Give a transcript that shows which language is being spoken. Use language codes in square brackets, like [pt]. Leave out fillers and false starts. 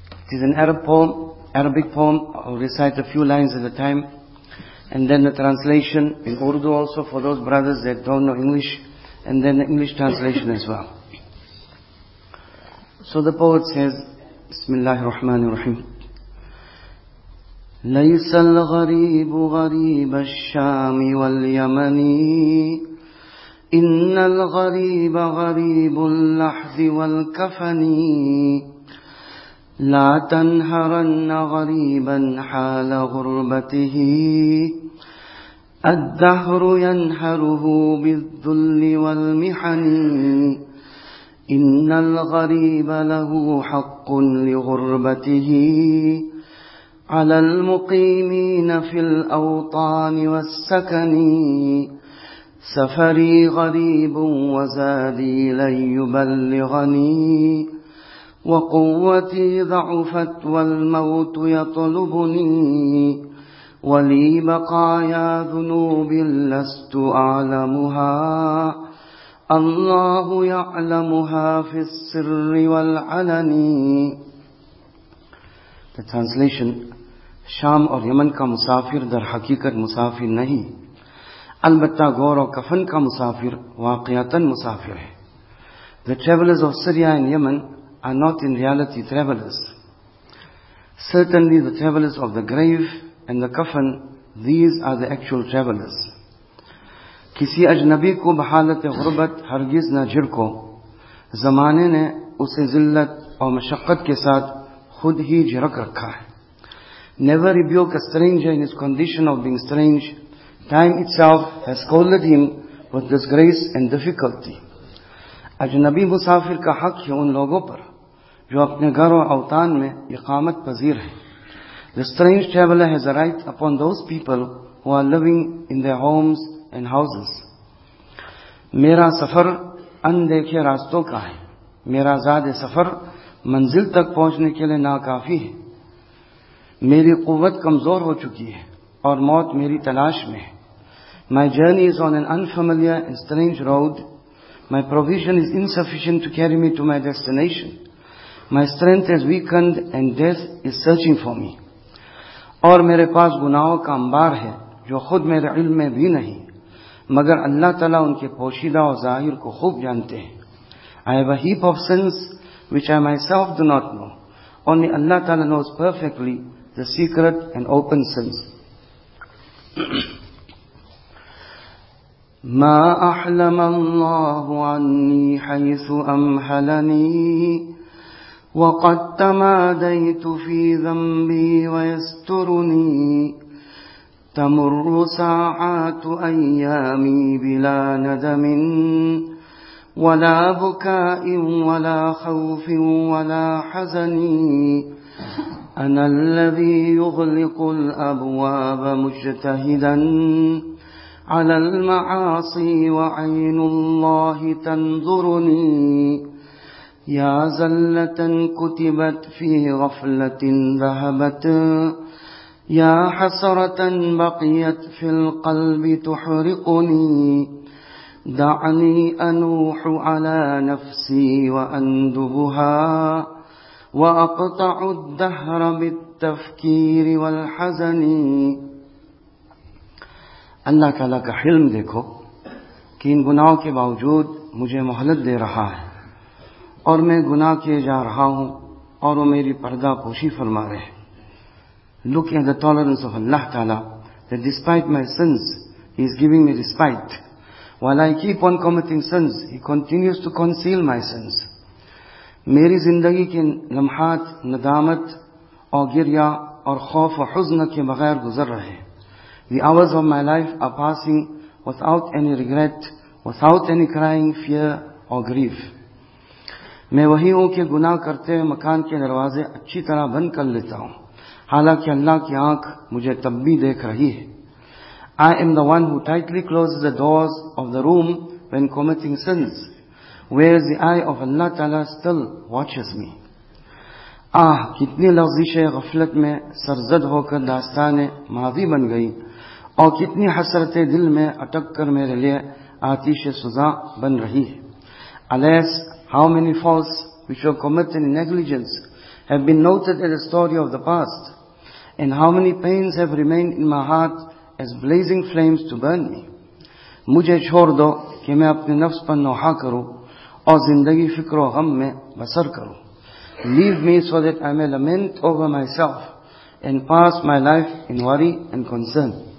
[en] It is an Arab poem, Arabic poem. I'll recite a few lines at a time. And then the translation in Urdu also for those brothers that don't know English. And then the English translation as well. So the poet says, Bismillahir Rahmanir Rahim. [ar] ليس الغريب غريب الشام واليمني إن الغريب غريب اللحظ والكفني لا تنهرن غريبا حال غربته الدهر ينهره بالذل والمحن إن الغريب له حق لغربته على المقيمين في الأوطان والسكن سفري غريب وزادي لن يبلغني وقوتي ضعفت والموت يطلبني ولي بقايا ذنوب لست أعلمها الله يعلمها في السر والعلن. [en] The translation: [ur] شام اور یمن کا مسافر در حقیقت مسافر نہیں، البتہ گور اور کفن کا مسافر واقعتاً مسافر ہے. [en] The travelers of Syria and Yemen are not in reality travelers. Certainly the travelers of the grave and the coffin, these are the actual travelers. [ur] کسی اجنبی کو بحالت غربت ہرگز نہ جھڑکو، زمانے نے اسے ذلت اور مشقت کے ساتھ خود ہی جھڑک رکھا ہے. [en] Never rebuke a stranger in his condition of being strange. Time itself has scolded him with disgrace and difficulty. [ur] اجنبی مسافر کا حق ہے ان لوگوں پر جو اپنے گھر اور اوطان میں اقامت پذیر ہیں. [en] The strange traveler has a right upon those people who are living in their homes and houses. [ur] میرا سفر اندیکھے راستوں کا ہے، میرا زاد سفر منزل تک پہنچنے کے لیے ناکافی ہے. میری قوت کمزور ہو چکی ہے اور موت میری تلاش میں ہے. [en] My journey is on an unfamiliar and strange road. My provision is insufficient to carry me to my destination. My strength has weakened and death is searching for me. [ur] اور میرے پاس گناہوں کا انبار ہے جو خود میرے علم میں بھی نہیں، مگر اللہ تعالیٰ ان کے پوشیدہ اور ظاہر کو خوب جانتے ہیں. [en] I have a heap of sins which I myself do not know. Only Allah Ta'ala knows perfectly the secret and open sins. [ar] ما أحلم الله عني حيث أمهلني وقد تماديت في ذنبي ويسترني تمر ساعات أيامي بلا ندم ولا بكاء ولا خوف ولا حزن أنا الذي يغلق الأبواب مجتهدا على المعاصي وعين الله تنظرني يا زلة كتبت في غفلة ذهبت يا حسرة بقيت في القلب تحرقني دعني أنوح على نفسي وأندبها وأقطع الدهر بالتفكير والحزن. [ur] اللہ تعالیٰ کا حلم دیکھو کہ ان گناہوں کے باوجود مجھے مہلت دے رہا ہے اور میں گناہ کیے جا رہا ہوں اور وہ میری پردہ پوشی فرما رہے ہیں. [en] Look at the tolerance of Allah Ta'ala, that despite my sins, He is giving me respite. While I keep on committing sins, He continues to conceal my sins. [ur] میری زندگی کے لمحات ندامت اور گریہ اور خوف و حزن کے بغیر گزر رہے ہیں. [en] The hours of my life are passing without any regret, without any crying, fear or grief. [ur] میں وہی ہوں کہ گناہ کرتے ہوئے مکان کے دروازے اچھی طرح بند کر لیتا ہوں، حالانکہ اللہ کی آنکھ مجھے تب بھی دیکھ رہی ہے. [en] I am the one who tightly closes the doors of the room when committing sins, whereas the eye of Allah Ta'ala still watches me. [ur] آہ، کتنی لغزشِ غفلت میں سرزد ہو کر داستانِ ماضی بن گئی اور کتنی حسرتِ دل میں اٹک کر میرے لیے آتیشِ سزا بن رہی ہے. [en] Alas, how many faults which were committed in negligence have been noted as a story of the past, and how many pains have remained in my heart as blazing flames to burn me. [ur] مجھے چھوڑ دو کہ میں اپنے نفس پر نوحہ کروں اور زندگی فکر و غم میں بسر کروں. [en] Leave me so that I may lament over myself and pass my life in worry and concern.